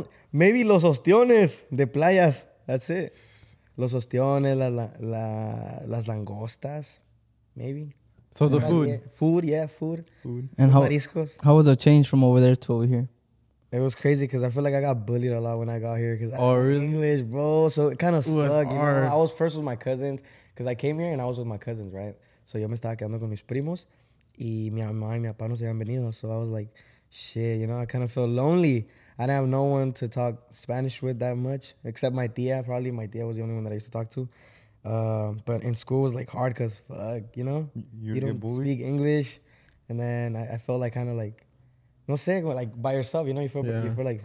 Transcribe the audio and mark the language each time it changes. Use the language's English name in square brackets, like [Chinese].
[English] Maybe [Spanish] los ostiones de playas. [English] That's it. [Spanish] Los ostiones, las langostas. Maybe. [English] So the food. Food. And mariscos. How was the change from over there to over here? It was crazy because I feel like I got bullied a lot when I got here because I didn't know English, bro. So it kind of stuck. You know? I was first with my cousins because I came here and I was with my cousins, right? [Spanish] So yo me estaba quedando con mis primos y mi mamá y mi papá no se habían venido. [English] So I was like, shit, you know, I kind of felt lonely. I didn't have no one to talk Spanish with that much except my tía. Probably my tía was the only one that I used to talk to. But in school it was like hard because fuck, you know, you don't speak English. And then I felt like kind of like, [Spanish] no sé, [English] like by yourself, you know, you feel like,